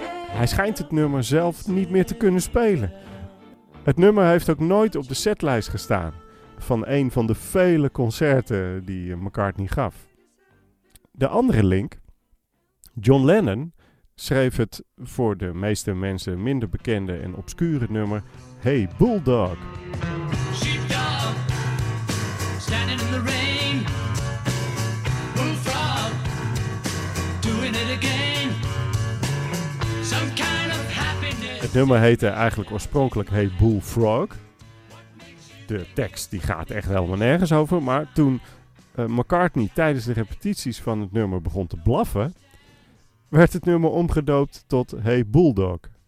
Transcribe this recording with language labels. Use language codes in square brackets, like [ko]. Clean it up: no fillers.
[nl] Hij schijnt het nummer zelf niet meer te kunnen spelen. Het nummer heeft ook nooit op de setlijst gestaan. van een van de vele concerten die McCartney gaf. De andere link, John Lennon, schreef het voor de meeste mensen minder bekende en obscure nummer Hey Bulldog. [en] Sheepdog, standing in the rain. Bullfrog, doing it again. Some kind of happiness. [nl] Het nummer heette eigenlijk oorspronkelijk Hey Bullfrog. De tekst die gaat echt helemaal nergens over, maar toen McCartney tijdens de repetities van het nummer begon te blaffen, werd het nummer omgedoopt tot Hey Bulldog.